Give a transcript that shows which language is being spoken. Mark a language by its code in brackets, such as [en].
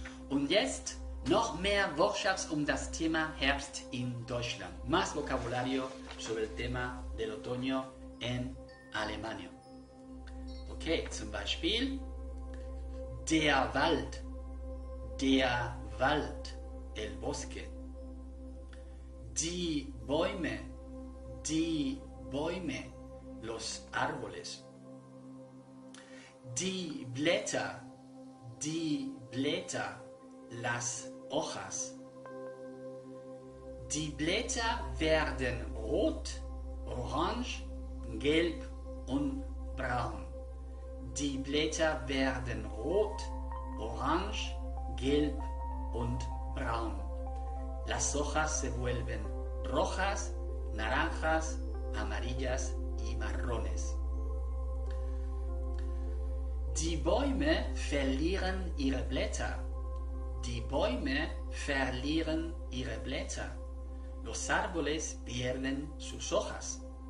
[de] Und jetzt noch mehr Workshops um das Thema Herbst in Deutschland. [es] Más vocabulario sobre el tema del otoño en Alemania. [de] Okay, zum Beispiel der Wald. Der Wald. [es] El bosque. [de] Die Bäume. Die Bäume. [es] Los árboles. [de] Die Blätter. Die Blätter. [es] Las hojas. [de] Die Blätter werden rot, orange, gelb und braun. Die Blätter werden rot, orange, gelb und braun. [es] Las hojas se vuelven rojas, naranjas, amarillas y marrones. [de] Die Bäume verlieren ihre Blätter. Die Bäume verlieren ihre Blätter. [es] Los árboles pierden sus hojas.